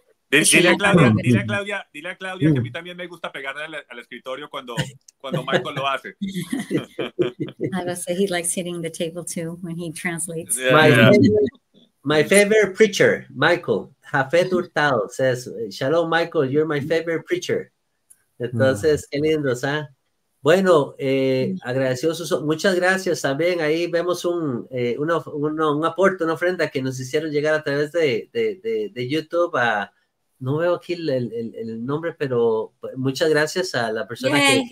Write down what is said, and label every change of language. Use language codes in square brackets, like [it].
[es] Dile a Claudia que a mí también me gusta pegarle al escritorio cuando Michael lo hace. [en] I would say he likes hitting the table too when he translates. My favorite preacher, Michael. Jafet Hurtado says, Shalom, Michael, you're my favorite preacher. [es] Entonces, qué lindo, ¿sabes? Bueno, agradecidos, muchas gracias también. Ahí vemos un aporte, una ofrenda que nos hicieron llegar a través de YouTube. No veo aquí el nombre, pero muchas gracias a la persona que